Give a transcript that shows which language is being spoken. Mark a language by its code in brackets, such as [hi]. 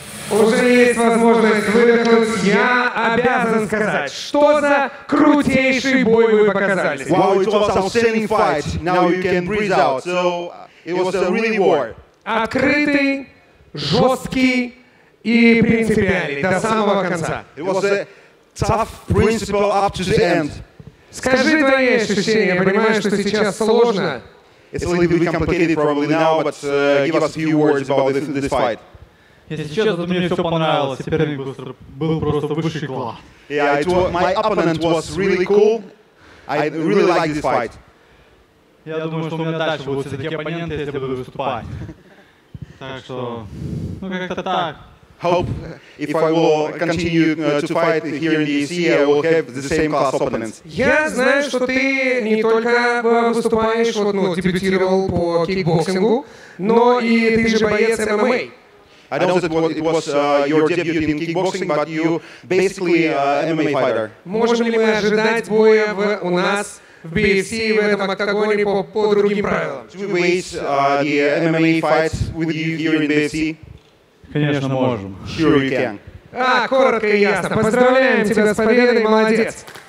[ru] Уже есть возможность выдохнуть. Я обязан сказать, что за крутейший бой вы показали. [en] Wow, it was an outstanding fight. Now you can breathe out. So it was a really war. [ru] Открытый, жесткий и принципиальный до самого конца. [en] It was a tough principle up to the end. [ru] Скажи твои ощущения. Понимаешь, что сейчас сложно? [en] It's a little bit complicated probably now, but give us a few words about this fight. [ru] Если честно, мне все понравилось. Соперник был просто высший класс. [en] Yeah, my opponent was really cool. I really like this fight. [ru] Я думаю, что у меня дальше будут все такие оппоненты, если буду выступать. Так что, ну как-то так. [en] Hope if I will continue to fight here in DC, I will have the same class opponents. [ru] Я знаю, что ты не только выступаешь, вот, ну, дебютировал по кикбоксингу, но и ты же боец ММА. [en] I know that it was your debut in kickboxing, but you basically an MMA fighter. [ru] Можем ли мы ожидать боя у нас в BFC в этом октагоне по другим правилам? [en] Do we wait the MMA fight with you here in BFC? [ru] Конечно, можем. [en] Sure, you can. [ru] Коротко и ясно. Поздравляем тебя с победой, молодец.